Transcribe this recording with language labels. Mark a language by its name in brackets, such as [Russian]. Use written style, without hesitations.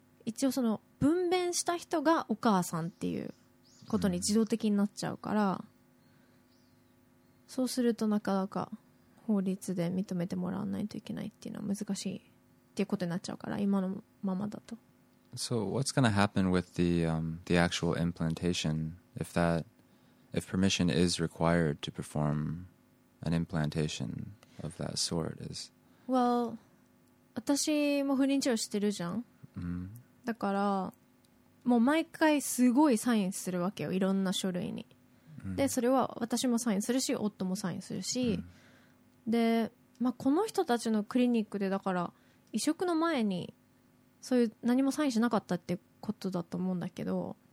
[Japanese] 一応その分娩した人がお母さんっていうことに自動的になっちゃうから、うん、そうするとなかなか法律で認めてもらわないといけないっていうのは難しいっていうことになっちゃうから、今のままだと。 [English] So what's going to happen with the actual implantation if permission is required to perform an implantationof that sort is. [Japanese] Well, 私も不妊治療してるじゃん。 Mm-hmm. だからもう毎回すごいサインするわけよ、いろんな書類に。 Mm-hmm. で、それは私もサインするし、夫もサインするし。 Mm-hmm. で、まあ、この人たちのクリニックでだから移植の前にそういう何もサインしなかったってことだと思うんだけど。